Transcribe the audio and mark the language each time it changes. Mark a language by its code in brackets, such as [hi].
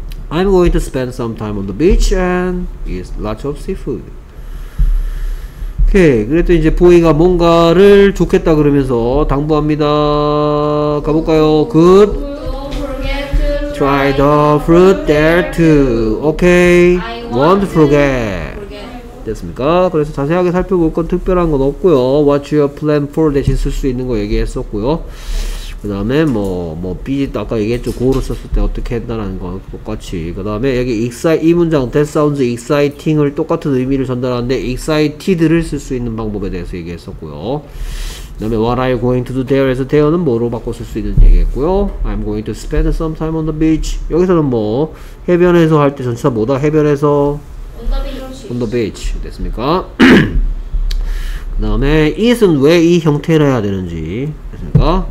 [en] I'm going to spend some time on the beach and eat lots of seafood. [ko] 오케이, 그래도 이제 보이가 뭔가를 좋겠다 그러면서 당부합니다. 가볼까요? [en] Good. Try the fruit there too. Okay. Won't forget. [ko] 됐습니까? 그래서 자세하게 살펴볼 건 특별한 건 없고요. [en] What's your plan for [ko] 대신 쓸 수 있는 거 얘기했었고요. 그 다음에 뭐 비짓 아까 얘기했죠. 고로 썼을 때 어떻게 했다라는 건 똑같이. 그 다음에 여기 이 문장 [en] that sounds exciting [ko] 을 똑같은 의미를 전달하는데 excited를 쓸 수 있는 방법에 대해서 얘기했었고요. 그 다음에 [en] what are you going to do there? [ko] 에서 there는 뭐로 바꿔 쓸 수 있는지 얘기했고요. [en] I'm going to spend some time on the beach. [ko] 여기서는 뭐 해변에서 할 때 전체 뭐다? 해변에서 [en] on the beach [ko] 됐습니까? 그 다음에 it은 왜 이 형태로 해야 되는지 됐습니까?